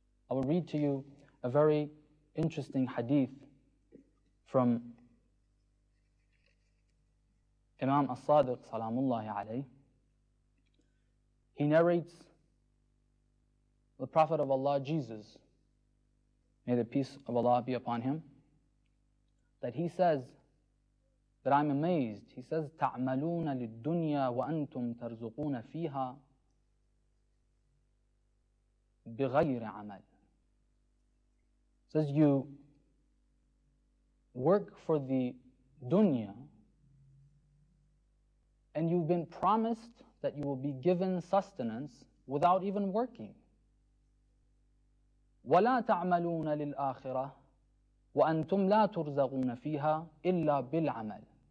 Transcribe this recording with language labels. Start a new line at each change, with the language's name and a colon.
English: I will read to you a very interesting hadith from Imam As-Sadiq Salamullahi Alayhi. He narrates the Prophet of Allah, Jesus, may the peace of Allah be upon him, that he says that I'm amazed. He says,
Arabic: تَعْمَلُونَ لِلدُّنْيَا وَأَنْتُمْ تَرْزُقُونَ فِيهَا بِغَيْرِ عَمَلٍ.
English: Says you work for the dunya and you've been promised that you will be given sustenance without even working.
Arabic: وَلَا تَعْمَلُونَ لِلْآخِرَةِ وَأَنْتُمْ لَا تُرْزَقُونَ فِيهَا إِلَّا بِالْعَمَلِ.